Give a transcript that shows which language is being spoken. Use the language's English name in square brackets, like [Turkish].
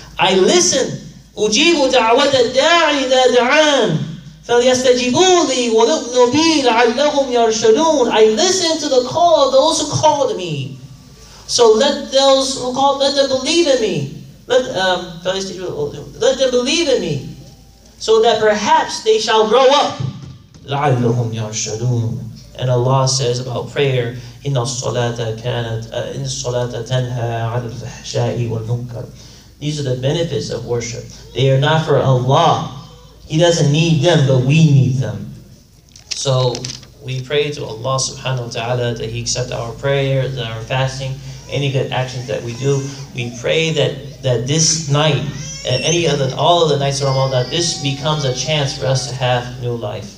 [English] I listen. [Arabic] أُجِيبُ دَعْوَةَ الدَّاعِ إِذَا دَعَانِ فَلْيَسْتَجِبُوا لِي وَلُؤْنُوا بِي لَعَلَّهُمْ يَرْشَدُونَ. [English] I listen to the call of those who called me. So let those who call, let them believe in me. Let them believe in me. So that perhaps they shall grow up. [Arabic] لَعَلَّهُمْ يَرْشَدُونَ. [English] And Allah says about prayer, [Arabic] إِنَّ الصَّلَاةَ كَانَتْ إِنَّ الصَّلَاةَ تَنْهَى عَلَى الْفَحْشَاءِ وَالْمُنْكَرِ. [English] These are the benefits of worship. They are not for Allah. He doesn't need them, but we need them. So we pray to Allah subhanahu wa ta'ala that He accept our prayers and our fasting, any good actions that we do. We pray that this night, and any other, all of the nights of Ramadan, that this becomes a chance for us to have new life.